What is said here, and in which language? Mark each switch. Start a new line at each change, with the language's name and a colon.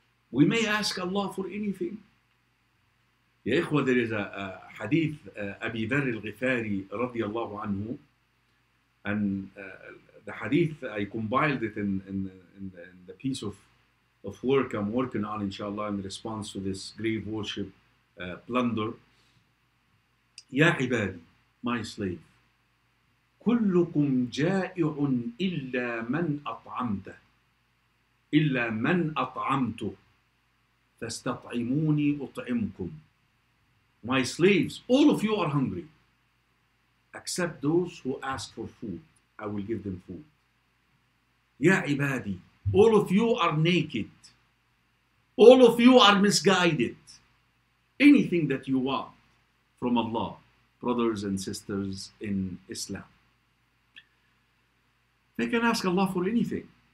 English: We may ask Allah for anything. Ya ikhwa, there is a hadith, Abi Dharr al-Ghifari radiallahu anhu. And the hadith, I compiled it in the piece of work I'm working on, inshallah, in response to this grave worship plunder.
Arabic: يا عبادي,
English: my slave,
Arabic: كلكم جائع إلا من أطعمته إلا من أطعمته فاستطعموني أطعمكم.
English: My slaves, all of you are hungry, except those who ask for food, I will give them food.
Arabic: يا عبادي,
English: all of you are naked, all of you are misguided, anything that you want from Allah, brothers and sisters in Islam, they can ask Allah for anything.